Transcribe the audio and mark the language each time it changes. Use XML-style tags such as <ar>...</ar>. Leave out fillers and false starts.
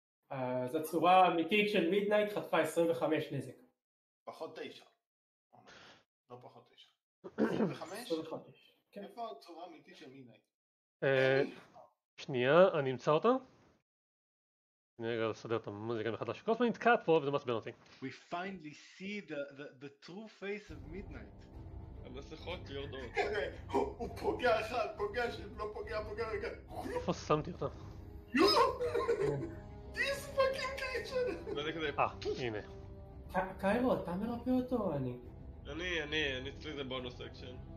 <he>אז הצורה האמיתית של מידנייט חטפה 25 נזק. פחות 9. לא פחות 9. 25? 25. איפה הצורה האמיתית של מידנייט? שנייה, אני אמצא אותה. אני רגע לסדר את המוזיקה מחדש. כל הזמן נתקעת פה וזה מסביר אותי.</he> <en>We finally see the true face of midnight.</en> <he>המסכות יורדות. הוא פוגע אחד, פוגע שם, לא פוגע, פוגע רגע. איפה שמתי אותה? יו!</he> <en>This fucking creature!</en> <he>לא יודע כדי... אה, הנה. קיירו, אתה מרפא אותו או אני? אני אצלי זה בונוס אקשן.</he>